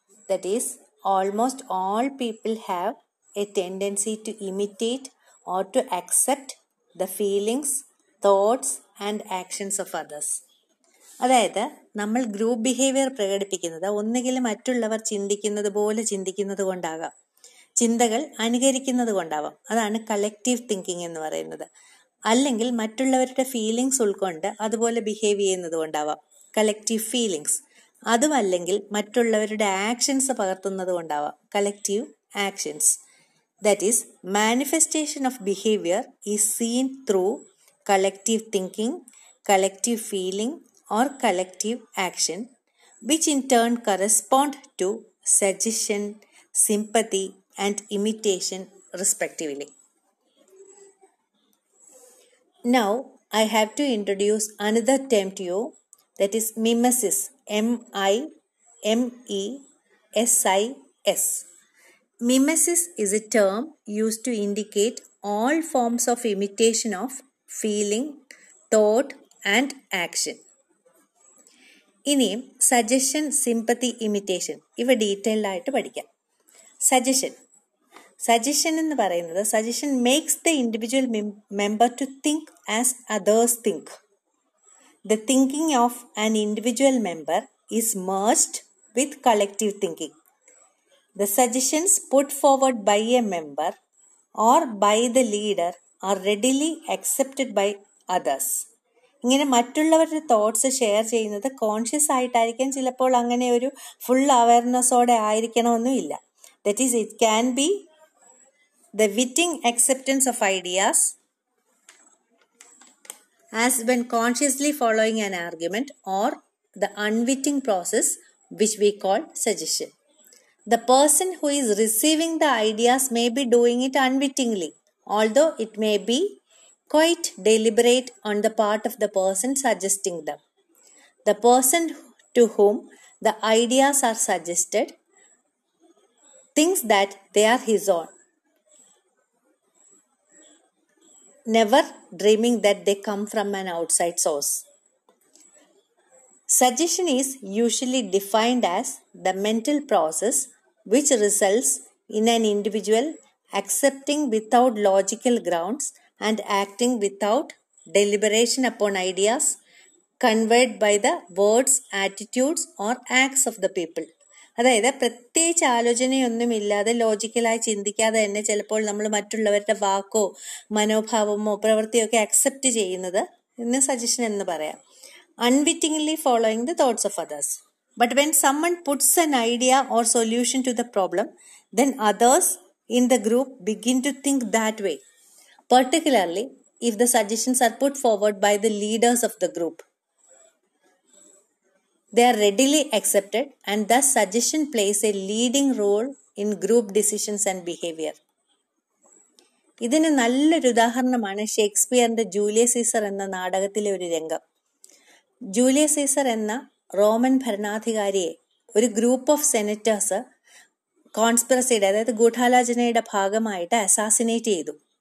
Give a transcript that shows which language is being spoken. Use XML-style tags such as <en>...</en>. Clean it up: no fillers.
<en>That is, almost all people have a tendency to imitate or to accept the feelings, thoughts, and actions of others.</en> <ml>അതായത് നമ്മൾ group behaviour പ്രകടിപ്പിക്കുന്നത് ഒന്നുകിൽ മറ്റുള്ളവർ ചിന്തിക്കുന്നത് പോലെ ചിന്തിക്കുന്നത് കൊണ്ടാകാം, ചിന്തകൾ അനുകരിക്കുന്നത് കൊണ്ടാവാം, അതാണ് കളക്റ്റീവ് തിങ്കിങ് എന്ന് പറയുന്നത്. അല്ലെങ്കിൽ മറ്റുള്ളവരുടെ ഫീലിങ്സ് ഉൾക്കൊണ്ട് അതുപോലെ ബിഹേവ് ചെയ്യുന്നത് കൊണ്ടാവാം കളക്റ്റീവ് ഫീലിങ്സ്. അതും അല്ലെങ്കിൽ മറ്റുള്ളവരുടെ ആക്ഷൻസ് പകർത്തുന്നത് കൊണ്ടാവാം collective actions.</ml> <en>That is manifestation of behaviour is seen through collective thinking, collective feeling or collective action, which in turn correspond to suggestion, sympathy, and imitation respectively. Now, I have to introduce another term to you, that is mimesis, M-I-M-E-S-I-S. Mimesis is a term used to indicate all forms of imitation of feeling, thought, and action.</en> <ml>ഇനിയും suggestion, sympathy, imitation ഇവ detailed ആയിട്ട് പഠിക്കാം.</ml> <en>suggestion</en> <ml>എന്ന് പറയുന്നത്</ml> <en>Suggestion makes the individual member to think as others think. The thinking of an individual member is merged with collective thinking. The suggestions put forward by a member or by the leader are readily accepted by others.</en> <ml>ഇങ്ങനെ മറ്റുള്ളവരുടെ thoughts share ചെയ്യുന്നത് conscious ആയിട്ടായിരിക്കാം, ചിലപ്പോൾ അങ്ങനെ ഒരു full അവയർനെസ്സോടെ ആയിരിക്കണമെന്നുമില്ല.</ml> <en>That is it can be the witting acceptance of ideas as when consciously following an argument or the unwitting process which we call suggestion. The person who is receiving the ideas may be doing it unwittingly, although it may be quite deliberate on the part of the person suggesting them. The person to whom the ideas are suggested thinks that they are his own, never dreaming that they come from an outside source. Suggestion is usually defined as the mental process which results in an individual accepting without logical grounds and acting without deliberation upon ideas conveyed by the words, attitudes or acts of the people.</en> <ml>അതായത് പ്രത്യേകിച്ച് ആലോചനയൊന്നുമില്ലാതെ ലോജിക്കലായി ചിന്തിക്കാതെ തന്നെ ചിലപ്പോൾ നമ്മൾ മറ്റുള്ളവരുടെ വാക്കോ മനോഭാവമോ പ്രവൃത്തിയോ ഒക്കെ accept ചെയ്യുന്നത് എന്ന് സജഷൻ എന്ന് പറയാം.</ml> <en>Unwittingly following the thoughts of others. But when someone puts an idea or solution to the problem then others in the group begin to think that way. Particularly if the suggestions are put forward by the leaders of the group, they are readily accepted and thus suggestion plays a leading role in group decisions and behavior.</en> <ml>ഇതിന് നല്ലൊരു ഉദാഹരണമാണ് ഷേക്സ്പിയറിന്റെ Julius Caesar എന്ന നാടകത്തിലെ ഒരു രംഗം. Julius Caesar എന്ന Roman ഭരണാധികാരിയെ ഒരു group of senators കോൺസ്പിറസിയുടെ അതായത് ഗൂഢാലോചനയുടെ ഭാഗമായിട്ട് അസാസിനേറ്റ് ചെയ്തു.</ml>